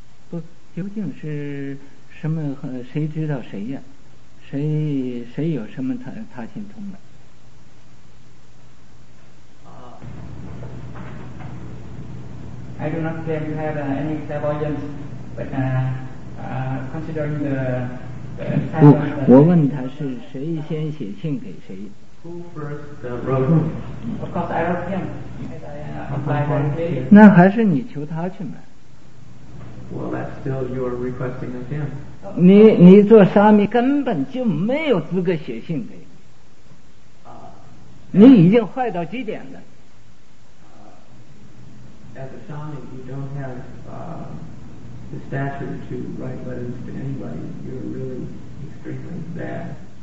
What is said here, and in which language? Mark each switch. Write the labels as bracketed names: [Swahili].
[Chinese] 不，究竟是什么？谁知道谁呀？谁有什么他心通的？ [English] I do not claim to have any clairvoyance, but considering the [Chinese] 不，我问他是谁先写信给谁。 [English] Who first wrote him? Of course, I wrote him. As I, [Chinese] 那还是你求他去吗？ [English] Well, that's still your requesting of him. [Chinese] 你做沙弥根本就没有资格写信给你。你已经坏到极点了。 [English] As a shami, you don't have the stature to write letters to anybody. You're really extremely bad.